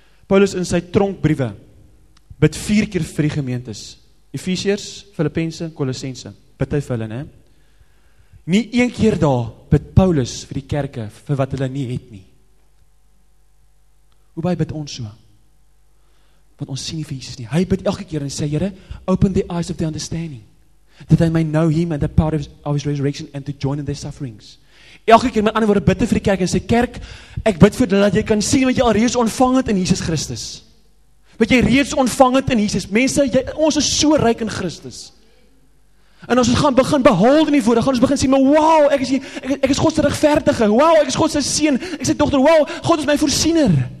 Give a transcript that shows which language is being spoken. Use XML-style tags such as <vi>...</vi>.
<af>Paulus in sy tronkbriewe bid 4 keer vir die gemeentes. Efesiërs, Filippense, Kolossense. Bid hy vir hulle, né? Nie een keer daar bid Paulus vir die kerke vir wat hulle nie het nie. Hoe baie bid ons so? want ons sien nie vir Jesus nie. Hy bid elke keer en sê, Here,</af> <en>open the eyes of the understanding, that they may know him and the power of his resurrection and to join in their sufferings.</en> <af>Elke keer met ander woorde, bid vir die kerk en sê, kerk, ek bid vir dat jy kan sien wat jy al reeds ontvang het in Jesus Christus. Wat jy reeds ontvang het in Jesus. Mense, ons is so ryk in Christus. En as ons gaan begin behold in die woorde, gaan ons begin sê, maar wow, ek is God se regverdige, wow, ek is God se seun, ek is sy dogter, wow, God is my voorsiener.</af>